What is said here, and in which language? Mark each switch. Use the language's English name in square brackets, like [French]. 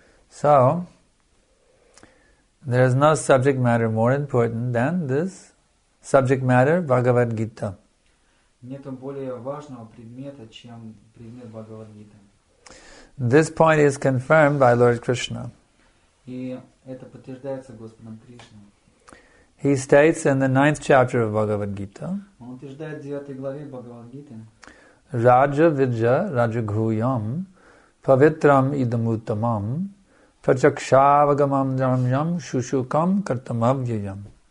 [English] So, there is no subject matter more important than this subject matter, Bhagavad Gita. [Russian] Нету более важного предмета, чем предмет Бхагавад-гиты. [English] This point is confirmed by Lord Krishna. [Russian] И это подтверждается Господом Кришной. [English] He states in the 9th chapter of Bhagavad-gita. [Russian] Он утверждает в 9 главе Бхагавад-гиты. [Sanskrit] Раджа виджа раджагхуям павитрам идамутамам прачакшавагамам джамьям шушукам картамавьям.